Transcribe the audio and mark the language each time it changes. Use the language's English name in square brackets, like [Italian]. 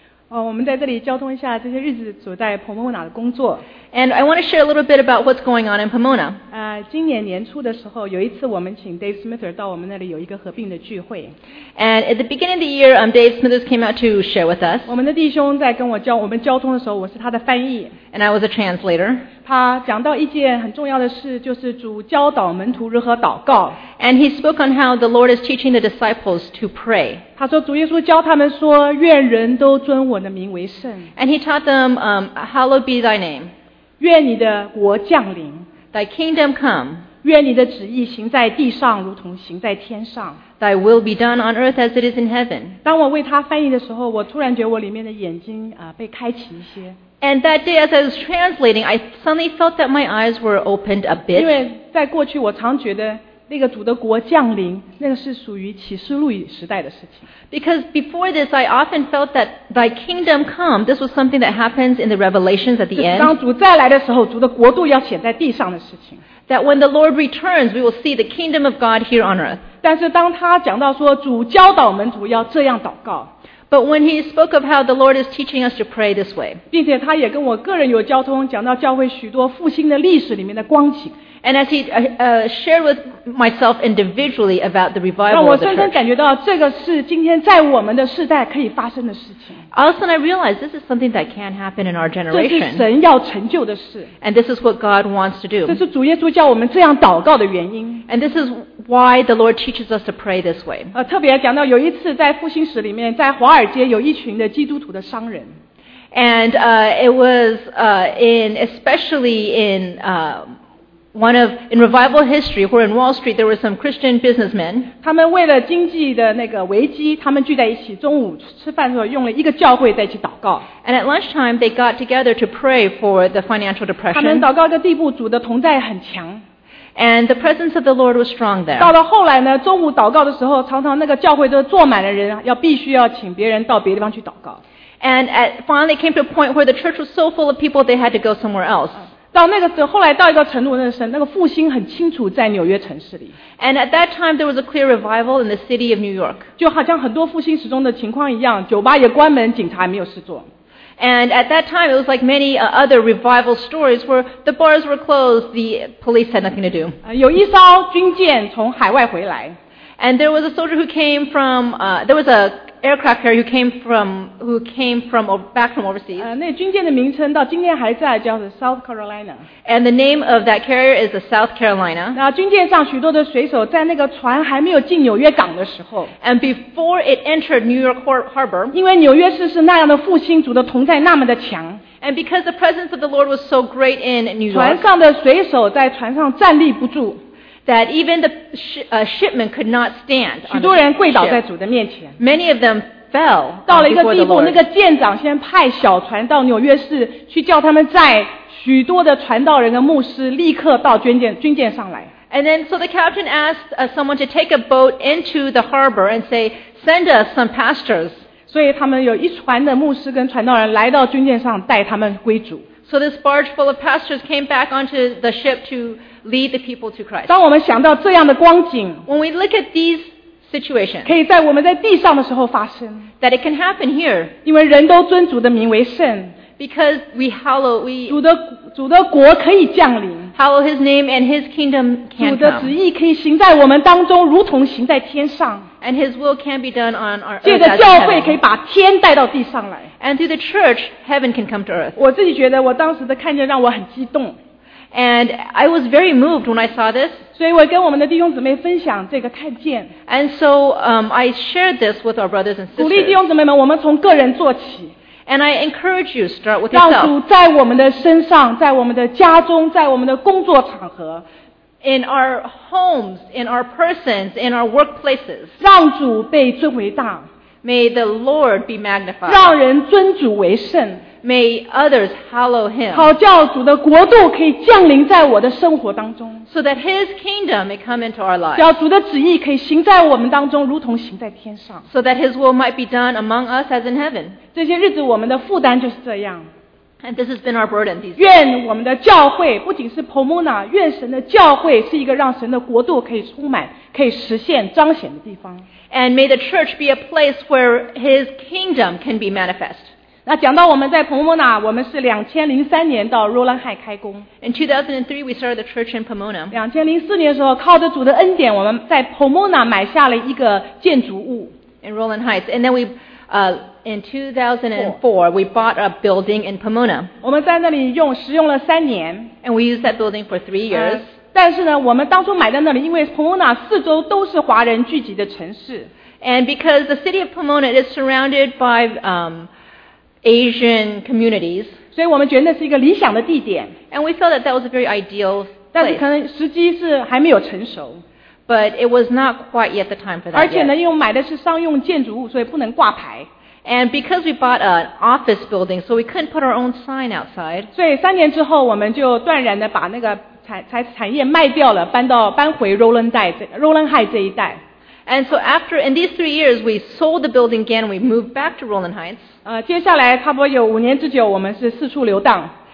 [Chinese] 我们在这里交通一下这些日子所在 Pomona 的工作。 [English] And I want to share a little bit about what's going on in Pomona. [Chinese] 今年年初的时候，有一次我们请 Dave Smither 到我们那里有一个合并的聚会。 [English] And at the beginning of the year, Dave Smither came out to share with us. [Chinese] 我们的弟兄在跟我交我们交通的时候，我是他的翻译。 [English] And I was a translator. [Chinese] 他讲到一件很重要的事，就是主教导门徒如何祷告。 [English] And he spoke on how the Lord is teaching the disciples to pray. [Chinese] 他说主耶稣教他们说，愿人都尊我的名为圣。 [English] And he taught them, "Hallowed be thy name." [Chinese] 愿你的国降临。 [English] Thy kingdom come. [Chinese] 愿你的旨意行在地上，如同行在天上。 [English] Thy will be done on earth as it is in heaven. [Chinese] 当我为他翻译的时候，我突然觉得我里面的眼睛被开启一些。 [English] And that day, as I was translating, I suddenly felt that my eyes were opened a bit. [Chinese] 因为在过去，我常觉得那个主的国降临，那个是属于启示录时代的事情。 [English] Because before this, I often felt that Thy kingdom come. This was something that happens in the Revelations at the end. [Chinese] 当主再来的时候，主的国度要显在地上的事情。 [English] That when the Lord returns, we will see the kingdom of God here on earth. [Chinese] 但是当他讲到说主教导门徒要这样祷告。 [English] But when he spoke of how the Lord is teaching us to pray this way, [Chinese] 并且他也跟我个人有交通，讲到教会许多复兴的历史里面的光景。 [English] And as he shared with myself individually about the revival, [Chinese] 让我深深感觉到这个是今天在我们的世代可以发生的事情。 [English] All of a sudden, I realized this is something that can happen in our generation. [Chinese] 这是神要成就的事。 [English] And this is what God wants to do. [Chinese] 这是主耶稣叫我们这样祷告的原因。 [English] And this is why the Lord teaches us to pray this way. [Chinese] 特别讲到有一次在复兴史里面，在华尔街有一群的基督徒的商人。 [English] And it was especially in revival history, where in Wall Street there were some Christian businessmen. [Chinese] 他们为了经济的那个危机，他们聚在一起，中午吃饭的时候用了一个教会在一起祷告。 [English] And at lunchtime they got together to pray for the financial depression. [Chinese] 他们祷告的地步，主的同在很强。 [English] And the presence of the Lord was strong there. [Chinese] 到了后来呢，中午祷告的时候，常常那个教会都坐满了人，必须要请别人到别的地方去祷告。 [English] And finally came to a point where the church was so full of people they had to go somewhere else. [Chinese] 到那个时候，后来到一个程度，那个复兴很清楚在纽约城市里。 [English] And at that time there was a clear revival in the city of New York. [Chinese] 就好像很多复兴时钟的情况一样，酒吧也关门，警察也没有事做。 [English] And at that time, it was like many other revival stories where the bars were closed, the police had nothing to do. [Chinese] 有一艘军舰从海外回来。 [English] And there was a soldier who came from, there was an aircraft carrier who came from overseas. [Chinese] 那军舰的名称到今天还在，叫做 South Carolina. [English] And the name of that carrier is the South Carolina. [Chinese] 那军舰上许多的水手在那个船还没有进纽约港的时候。 [English] And before it entered New York Harbor. [Chinese] 因为纽约市是那样的复兴，主的同在那么的强。 [English] And because the presence of the Lord was so great in New York. [Chinese] 船上的水手在船上站立不住。 [English] That even the shipment could not stand. [Chinese] 许多人跪倒在主的面前。 [English] Many of them fell. [Chinese] 到了一个地步，那个舰长先派小船到纽约市去叫他们载许多的传道人的牧师立刻到军舰上来。 [English] And then, so the captain asked someone to take a boat into the harbor and say, "Send us some pastors." [Chinese] 所以他们有一船的牧师跟传道人来到军舰上带他们归主。 [English] So this barge full of pastors came back onto the ship to lead the people to Christ. [Chinese] 当我们想到这样的光景， [English] when we look at these situations, [Chinese] 可以在我们在地上的时候发生， [English] that it can happen here. [Chinese] 因为人都尊主的名为圣， [English] because we hallow, we [Chinese] 主的国可以降临， [English] hallow his name and his kingdom can come. [Chinese] 主的旨意可以行在我们当中，如同行在天上。 [English] And his will can be done on our earth. [Chinese] 借着教会可以把天带到地上来。 [English] And through the church, heaven can come to earth. [Chinese] 我自己觉得我当时的看见让我很激动。 [English] And I was very moved when I saw this. [Chinese] 所以我跟我们的弟兄姊妹分享这个看见。 [English] And so I shared this with our brothers and sisters. [Chinese] 鼓励弟兄姊妹们，我们从个人做起。 [English] And I encourage you start with yourself. [Chinese] 让主在我们的身上，在我们的家中，在我们的工作场合。 [English] In our homes, in our persons, in our workplaces. [Chinese] 让主被尊为大。 [English] May the Lord be magnified. [Chinese] 让人尊主为圣。 [English] May others hallow him. [Chinese] 好叫主的国度可以降临在我的生活当中。 [English] So that his kingdom may come into our lives. [Chinese] 叫主的旨意可以行在我们当中，如同行在天上。 [English] So that his will might be done among us as in heaven. [Chinese] 这些日子我们的负担就是这样。 [English] And this has been our burden these days. [Chinese] 愿我们的教会不仅是 Pomona， 愿神的教会是一个让神的国度可以充满、可以实现、彰显的地方。 [English] And may the church be a place where His kingdom can be manifest. [Chinese] 那讲到我们在 Pomona， 我们是2003年到 Roland High 开工。 [English] In 2003, we started the church in Pomona. [Chinese] 2004年的时候，靠着主的恩典，我们在 Pomona 买下了一个建筑物。 [English] In Roland Heights, and then we. In 2004, we bought a building in Pomona. [Chinese] 我们在那里用使用了三年。 [English] And we used that building for 3 years. [Chinese] 但是呢，我们当初买在那里，因为 Pomona 四周都是华人聚集的城市。 [English] And because the city of Pomona is surrounded by Asian communities. [Chinese] 所以我们觉得那是一个理想的地点。 [English] And we felt that that was a very ideal place. [Chinese] 但是可能时机是还没有成熟。 [English] But it was not quite yet the time for that. [Chinese] 而且呢，因为买的是商用建筑物，所以不能挂牌。 [English] And because we bought an office building, so we couldn't put our own sign outside. [Chinese] 所以三年之后，我们就断然的把那个产业卖掉了，搬回 Roland Heights 这一带。 [English] And so after in these 3 years, we sold the building again. We moved back to Roland Heights. [Chinese] 接下来差不多有五年之久，我们是四处流荡。